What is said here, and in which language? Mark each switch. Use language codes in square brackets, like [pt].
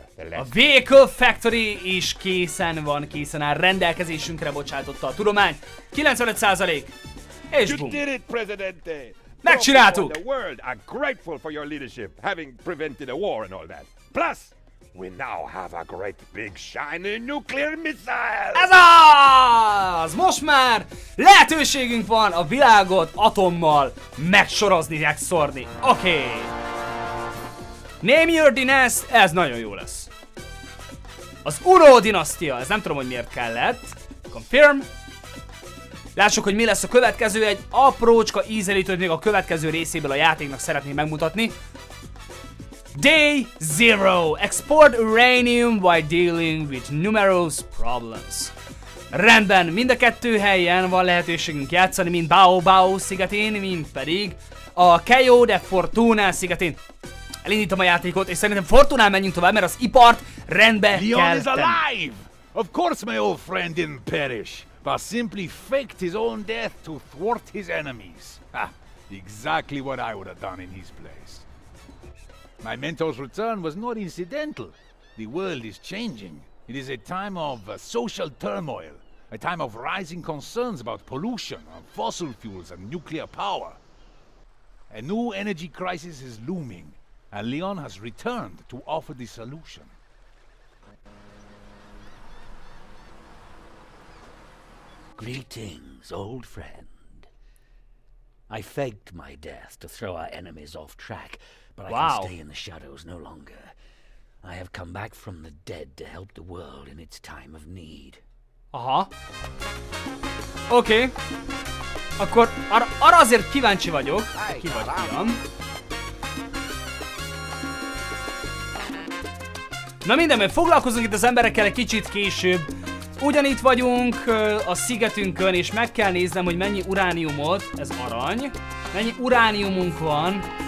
[hu] A Vehicle Factory is készen van, készen áll, rendelkezésünkre bocsátotta a tudomány. 95%. És [en] you did it, Presidente. [hu] Megcsináltuk. [en] The world are grateful for your leadership, having prevented a war and all that. Plus, we now have a great big shiny nuclear missile. [hu] Ez az! Most már lehetőségünk van a világot atommal megsorozni, megszórni. Oké. [en] Name your dynast, [hu] ez nagyon jó lesz. Az Uro dinasztia, ez nem tudom, hogy miért kellett. [en] Confirm. [hu] Lássuk, hogy mi lesz a következő, egy aprócska ízelítőt még a következő részéből a játéknak szeretnék megmutatni. [en] Day Zero. Export uranium while dealing with numerous problems. [hu] Rendben, mind a kettő helyen van lehetőségünk játszani, mint Baobao szigetén, mint pedig a Keio de Fortuna szigetén. Elindítom a játékot, és szerintem Fortunán menjünk tovább, mert az ipart rendbe kell tenni. [en] Leon is alive! Of course my old friend didn't perish, but simply faked his own death to thwart his enemies. Ha! Exactly what I would have done in his place. My mentor's return was not incidental. The world is changing. It is a time of social turmoil. A time of rising concerns about pollution, fossil fuels and nuclear power. A new energy crisis is looming. And Leon has returned to offer the solution. Greetings, old friend. I faked my death to throw our enemies off track, but wow. I can stay in the shadows no longer. I have come back from the dead to help the world in its time of need. Aha. Okay. [hu] Akkor arra azért kíváncsi vagyok. Ki vagy, Leon? Na minden, mert foglalkozunk itt az emberekkel egy kicsit később. Ugyanitt vagyunk a szigetünkön, és meg kell néznem, hogy mennyi urániumot, ez arany, mennyi urániumunk van.